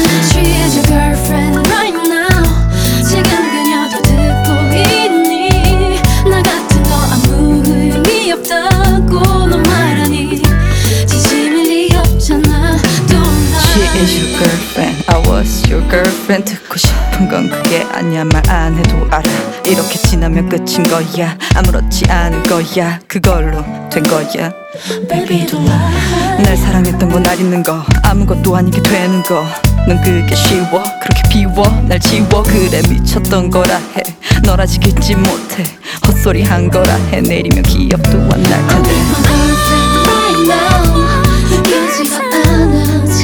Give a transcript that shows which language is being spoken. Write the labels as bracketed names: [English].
[English] She is your girlfriend right now. [Korean] 지금 그녀도 듣고 있니. 나 같은 거 아무 의미 없다고 넌 말하니. 진심일 리 없잖아. [English] Don't lie. She is your girlfriend. I was your girlfriend. [Korean] 듣고 싶은 건 그게 아니야. 말 안 해도 알아. 이렇게 지나면 끝인 거야. 아무렇지 않은 거야. 그걸로 된 거야. [English] Baby don't lie. [Korean] 날 사랑했던 거 날 잊는 거 아무것도 아닌 게 되는 거 넌 그게 쉬워. 그렇게 비워 날 지워. 그래 미쳤던 거라 해. 널 아직 잊지 못해. 헛소리 한 거라 해. 내리면 기억도 안 날 텐데. [English] I'm with my girlfriend right now. [Korean] 느껴지가 않아.